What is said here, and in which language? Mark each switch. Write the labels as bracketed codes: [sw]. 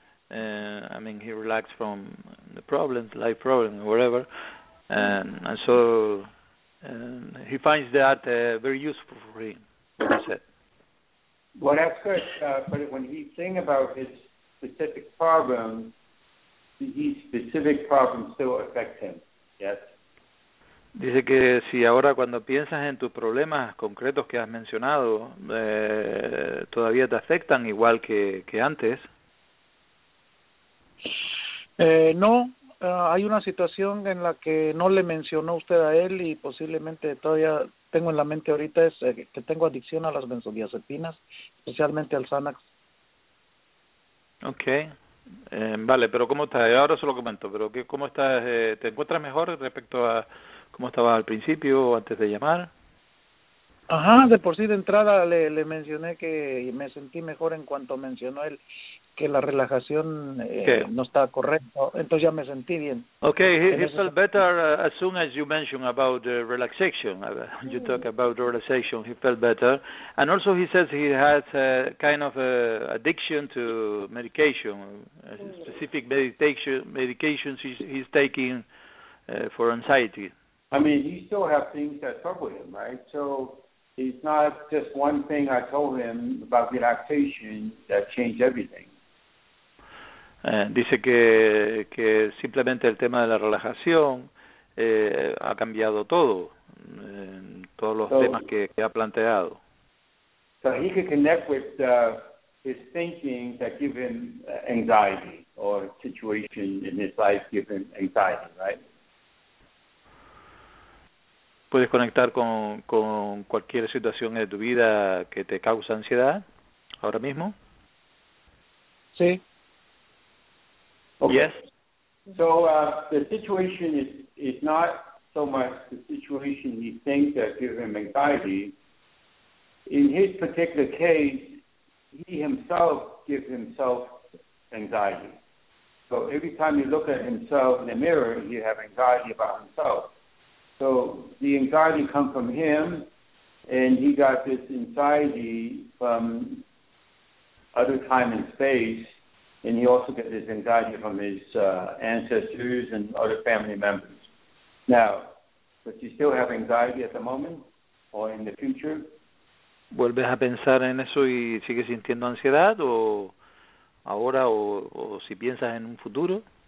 [en] I mean, he relaxed from the problems, life problems, whatever, and so he finds that very useful for him. What you said. Well, that's good. But when he's saying about his specific problem, his specific problem still affects him. Yes. [es] Dice que si ahora cuando piensas en tus problemas concretos que has mencionado, todavía te afectan igual que antes. No, hay una situación en la que no le mencionó usted a él y posiblemente todavía tengo en la mente ahorita es que tengo adicción a las benzodiazepinas, especialmente al Xanax. Okay, vale, pero ¿cómo estás? Ahora se lo comento, pero ¿cómo estás? ¿Te encuentras mejor respecto a cómo estabas al principio o antes de llamar? Ajá, de por sí de entrada le mencioné que me sentí mejor en cuanto mencionó él que la relajación no está correcta, entonces ya me sentí bien. [en] Okay, he felt [es] sentido. [en] Better as soon as you mentioned about the relaxation. You talk about relaxation, he felt better. And also he says he has a kind of a addiction to medication, specific medications he's taking for anxiety. I mean, he still have things that trouble him, right? So it's not just one thing I told him about relaxation that changed everything. [es] Dice que simplemente el tema de la relajación ha cambiado todo, todos los temas que ha planteado. [en] So he could connect with his thinking that give him anxiety or situation in his life give him anxiety, right? [es] Puedes conectar con cualquier situación de tu vida que te causa ansiedad ahora mismo. Sí. [en] Okay. Yes. So the situation is not so much the situation he thinks that gives him anxiety. In his particular case, he himself gives himself anxiety. So every time you look at himself in the mirror, you have anxiety about himself. So the anxiety comes from him, and he got this anxiety from other time and space, and he also got this anxiety from his ancestors and other family members. Now, does he still have anxiety at the moment or in the future? [es] ¿Vuelves a pensar en eso y sigues sintiendo ansiedad o ahora o si piensas en un futuro?